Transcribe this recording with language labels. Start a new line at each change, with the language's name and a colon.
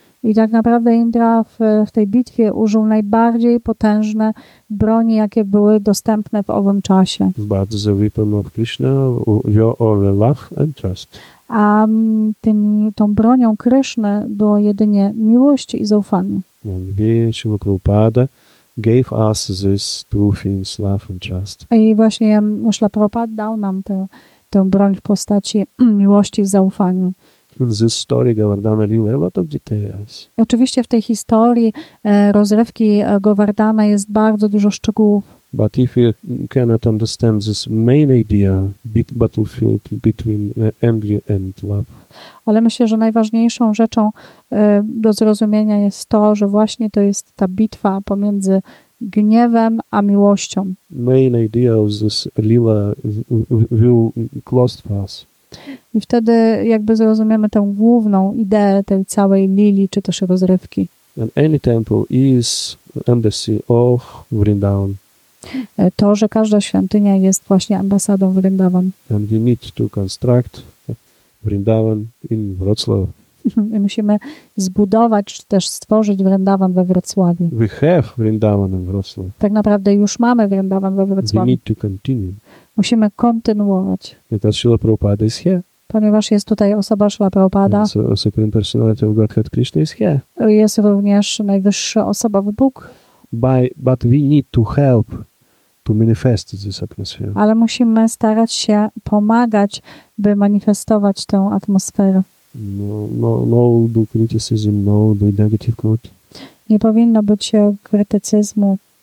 Polish: I tak naprawdę Indra w tej bitwie użył najbardziej potężne broni, jakie były dostępne w owym czasie.
English: But the weapon of Krishna, only love and trust.
Polish: A tą bronią Kryszny było jedynie miłość i zaufanie.
English: Śrila Prabhupada gave us these two things, love and trust.
Polish: I właśnie Śrila Prabhupada dał nam tę broń w postaci miłości i zaufania.
English: In this story, Govardhana Lila, a lot of details.
Polish: Oczywiście w tej historii rozrywki Govardhana jest bardzo dużo szczegółów.
English: But if you cannot understand this main idea, big battlefield between angry and love.
Polish: Ale myślę, że najważniejszą rzeczą do zrozumienia jest to, że właśnie to jest ta bitwa pomiędzy gniewem a miłością.
English: Main idea of this Lila will close to us.
Polish: I wtedy jakby zrozumiemy tę główną ideę tej całej lili, czy też rozrywki.
English: And any temple is embassy of Vrindavan.
Polish: To, że każda świątynia jest właśnie ambasadą Vrindavan.
English: And we need to construct Vrindavan in Wrocław.
Polish: My musimy zbudować, czy też stworzyć Vrindavan we Wrocławiu.
English: We have Vrindavan in Wrocław.
Polish: Tak naprawdę już mamy Vrindavan we Wrocławiu.
English: We need to continue.
Polish: Musimy kontynuować.
English: Because Śrila Prabhupada is here.
Polish: Ponieważ jest tutaj osoba Śrila Prabhupada.
English: Supreme Personality of Godhead Krishna is here.
Polish: Jest również najwyższa osoba w Bóg.
English: But we need to help to manifest this atmosphere.
Polish: Ale musimy starać się pomagać, by manifestować tę atmosferę.
English: No due criticism, no the negative quote.
Polish: Nie powinno być krytycyzmu.